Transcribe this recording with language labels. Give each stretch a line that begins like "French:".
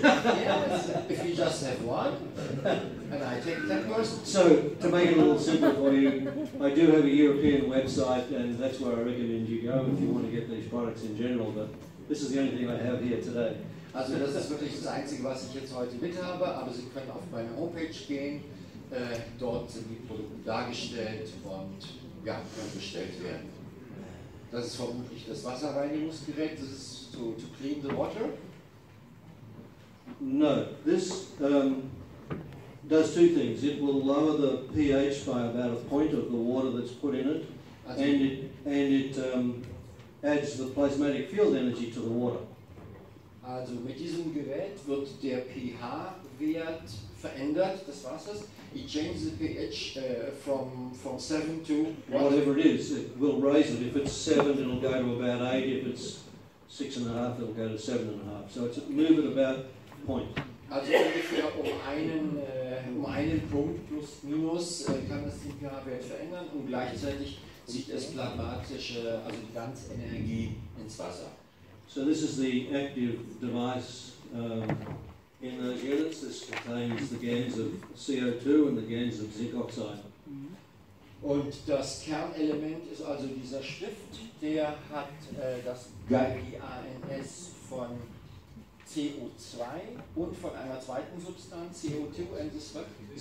English: Yes, if you just have one, and I take that person. So, to make it a little simple for you, I do have a European website, and that's where I recommend you go if you want to get these products in general, but this is the only thing I have here today.
German: Also, das ist wirklich das Einzige, was ich jetzt heute mit habe, aber Sie können auf meine Homepage gehen, dort sind die Produkte dargestellt und ja, können bestellt werden. Das ist vermutlich das Wasserreinigungsgerät, das ist
English: to clean the water. No, this does two things. It will lower the pH by about a point of the water that's put in it, and it adds the plasmatic field energy to the water.
German: Also mit diesem Gerät wird der pH-Wert verändert des Wassers.
English: It changes the pH from 7 to what? Whatever it is, it will raise it. If it's 7, it'll go to about 8. If it's 6.5, it'll go to 7.5. So it's moving about point.
German: Also ungefähr um einen Punkt plus minus kann das den pH-Wert verändern und gleichzeitig zieht es plasmatische, also die ganze Energie ins Wasser.
English: So this is the active device in those units. This contains the GANs of CO2 and the GANs of zinc oxide.
German: Und das Kernelement ist also dieser Stift, der hat das GANs von CO2 und von einer zweiten Substanz, CO2 und das